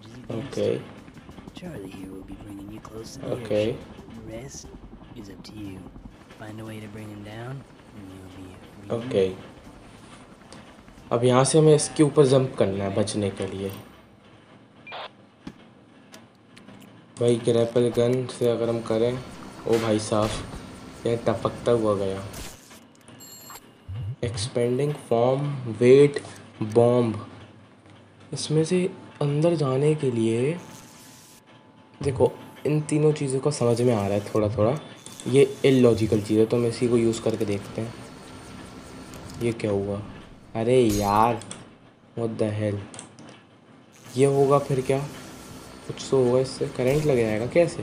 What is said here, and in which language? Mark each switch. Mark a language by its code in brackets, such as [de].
[en] Okay. Charlie here will be bringing you close to the rest. It's up to you. Find a way to bring him down, and you'll be free. Okay. [hi] अब यहाँ से हमें इसके ऊपर jump करना है बचने के लिए। भाई ग्रैपल गन से अगर हम करें, ओ भाई साहब, यह टपकता हुआ गया। [en] Expanding form, weight, bomb. [hi] इसमें से अंदर जाने के लिए देखो, इन तीनों चीज़ों का समझ में आ रहा है थोड़ा थोड़ा। ये इलॉजिकल चीज़ है तो हम इसी को यूज़ करके देखते हैं। ये क्या हुआ, अरे यार [en] what the hell, [hi] ये होगा फिर क्या, कुछ तो होगा इससे, करंट लग जाएगा कैसे।